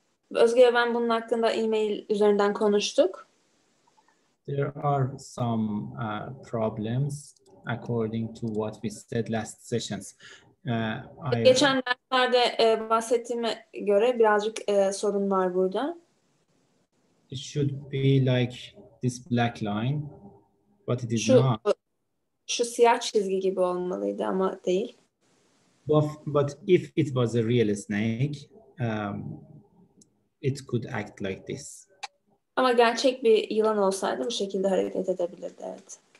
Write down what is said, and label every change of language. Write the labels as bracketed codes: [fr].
[tr] Özge'ye ben bunun hakkında e-mail üzerinden konuştuk. [en] There are some problems according to what we said last sessions. [tr] Geçen derslerde bahsettiğime göre birazcık sorun var burada. [en] It should be like this black line, but it is not. [tr] Şu siyah çizgi gibi olmalıydı ama değil. [en] But if it was a real snake, it could act like this. [tr] Ama gerçek bir yılan olsaydı bu şekilde hareket edebilirdi, evet.